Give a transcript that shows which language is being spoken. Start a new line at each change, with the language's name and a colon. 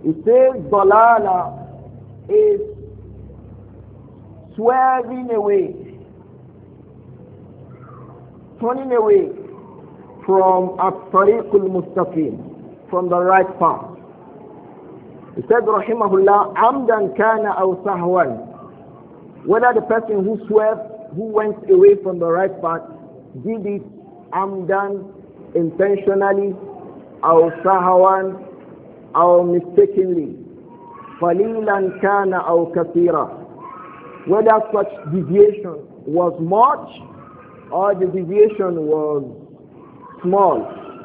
English: He says, Dalala is swerving away, turning away from
Arabic: الطَّرِيقُ الْمُسْتَقِيمِ,
English: from the right path. He said,
Arabic: Rahimahullah, عَمْدًا كَانَ أَوْ سَهْوًا.
English: Whether the person who swerved, who went away from the right path, did it amdan, intentionally, or sahawan, or mistakenly,
Arabic: falilan kana
English: or kathira, whether such deviation was much or the deviation was small.